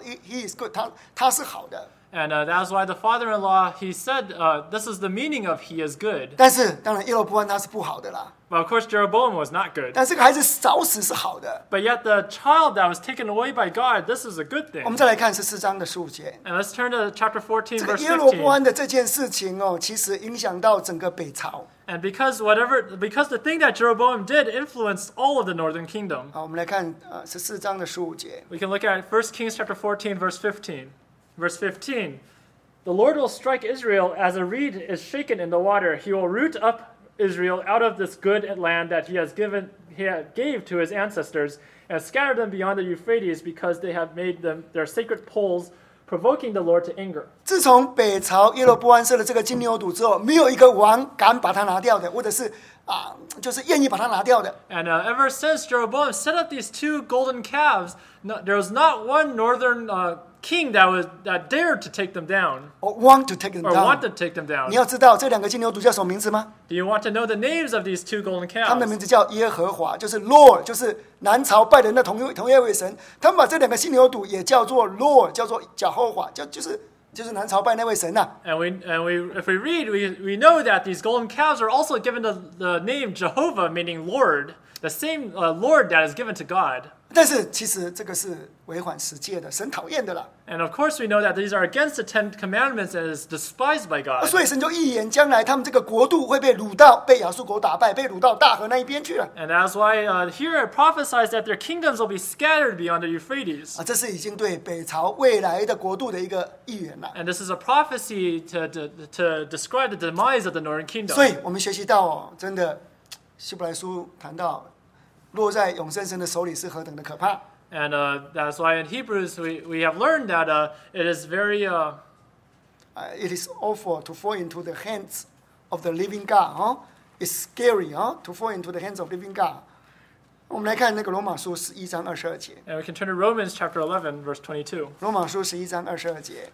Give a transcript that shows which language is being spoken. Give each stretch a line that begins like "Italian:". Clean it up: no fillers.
English: He is good.
Chinese: 他是好的。
English: And that is why the father-in-law he said, "This is the meaning of he is good."
Chinese: 但是当然，耶罗波安他是不好的啦。
English: But of course, Jeroboam was not good.
Chinese: 但这个孩子早死是好的。
English: But yet the child that was taken away by God, this is a good thing.
Chinese: 我们再来看14章的15节。
English: And let's turn to chapter 14, verse 15.
Chinese: 这个耶罗波安的这件事情哦，其实影响到整个北朝。
English: And because the thing that Jeroboam did influenced all of the northern kingdom.
Chinese: 好，我们来看14章的15节。
English: We can look at 1 Kings chapter 14, verse 15. Verse 15, the Lord will strike Israel as a reed is shaken in the water. He will root up Israel out of this good land that he gave to his ancestors and scatter them beyond the Euphrates because they have made them their sacred poles, provoking the Lord to anger.
Chinese: 自从北朝耶罗波安设了这个金牛犊之后，没有一个王敢把它拿掉的，或者是就是愿意把它拿掉的。
English: And ever since Jeroboam set up these two golden calves, there was not one northern king that dared to take them down. Or want to take them down.
Chinese: 你要知道这两个金牛犊叫什么名字吗？
English: Do you want to know the names of these two golden calves?
Chinese: 他们的名字叫耶和华，就是 Lord， 就是南朝拜的那同一位神。他们把这两个金牛犊也叫做 Lord， 叫做耶和华，就是南朝拜那位神呐。
English: And if we read, we know that these golden calves are also given the name Jehovah, meaning Lord, the same Lord that is given to God.
Chinese: 但是其实这个是违反十诫的，神讨厌的了。
English: And of course, we know that these are against the Ten Commandments and is despised by God.
Chinese: 所以神就预言将来他们这个国度会被掳到，被亚述国打败，被掳到大河那一边去了。
English: And that's why here it prophesies that their kingdoms will be scattered beyond the Euphrates.
Chinese: 这是已经对北朝未来的国度的一个预言了。
English: And this is a prophecy to describe the demise of the northern kingdom.
Chinese: 所以我们学习到，真的，希伯来书谈到。落在永生神的手里是何等的可怕。
English: And that's why in Hebrews we have learned that it is very it is awful to fall into the hands of the living God, huh? It's scary, huh? To fall into the hands of living God.
Chinese: 我们来看那个罗马书十一章二十二节。
English: And we can turn to Romans chapter 11 verse 22.
Chinese: 罗马书十一章二十二节。